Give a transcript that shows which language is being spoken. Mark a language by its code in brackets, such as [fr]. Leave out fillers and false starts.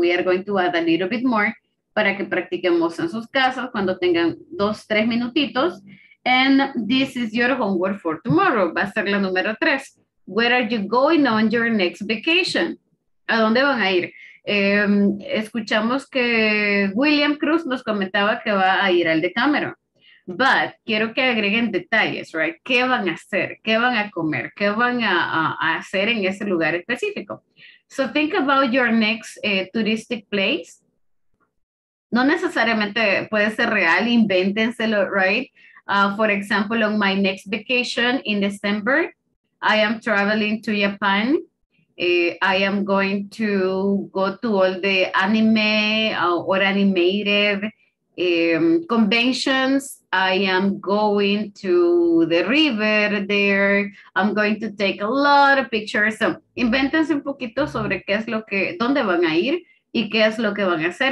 [en] We are going to add a little bit more [es] para que practiquemos en sus casas cuando tengan 2-3 minutitos. [en] And this is your homework for tomorrow. [es] Va a ser la número 3. [en] Where are you going on your next vacation? [es] ¿A dónde van a ir? Escuchamos que William Cruz nos comentaba que va a ir al Decameron. [en] But [es] quiero que agreguen detalles, right? ¿Qué van a hacer? ¿Qué van a comer? ¿Qué van a hacer en ese lugar específico? [en] So think about your next touristic place. [es] No necesariamente puede ser real, invéntenselo, [en] right? For example, on my next vacation in December, I am traveling to Japan. I am going to go to all the anime or animated conventions I am going to the river there. I'm going to take a lot of pictures. [es] So, invéntense un poquito sobre qué es lo que, dónde van a ir y qué es lo que van a hacer.